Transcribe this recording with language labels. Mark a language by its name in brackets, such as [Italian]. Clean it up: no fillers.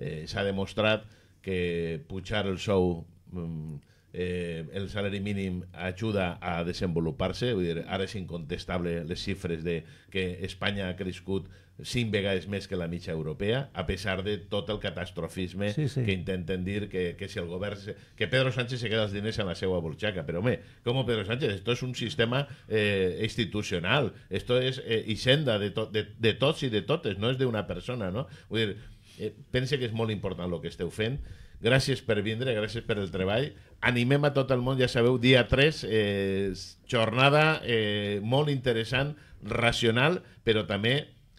[Catalan] S'ha demostrat que pujar el sou, el salari mínim, ajuda a desenvolupar-se. Ara és incontestable les xifres de que Espanya ha crescut 5 vegades més que la mitja europea, a pesar de tot el catastrofisme que intenten dir que si el govern... que Pedro Sánchez [Spanish] se queda [Catalan] els diners en la seva butxaca. Però, home, com Pedro Sánchez? [Spanish] Esto es un sistema institucional. Esto es [Catalan] hisenda de tots i de totes, no és d'una persona, no? Vull dir, pense que és molt important el que esteu fent. Gràcies per vindre, gràcies per el treball. Animem a tot el món, ja sabeu, dia 3, jornada molt interessant, racional, però també...